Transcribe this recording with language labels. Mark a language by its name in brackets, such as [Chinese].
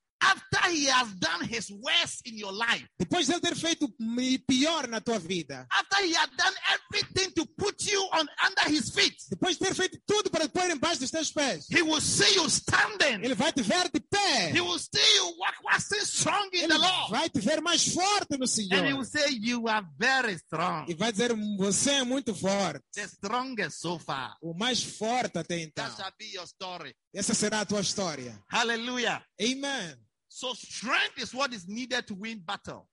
[English] After he has done his worst in your life. [Portuguese] Depois de ter feito o pior na tua vida. [English] After he has done everything to put you on under his feet. [Portuguese] Depois de ter feito tudo para te pôr embaixo dos teus pés. [English] He will see you standing. [Portuguese] Ele vai te ver de pé. [English] He will see you waxing strong in [Portuguese] Ele [English] the Lord. [Portuguese] Ele vai te ver mais forte no Senhor. [English] And he will say, you are very strong. [Portuguese] E vai dizer, você é muito forte. [English] The strongest so far. [Portuguese] O mais forte até então. [English] That shall be your story. [Portuguese] Essa será a tua história. [English] Hallelujah. Amen. So strength is what is needed to win battle.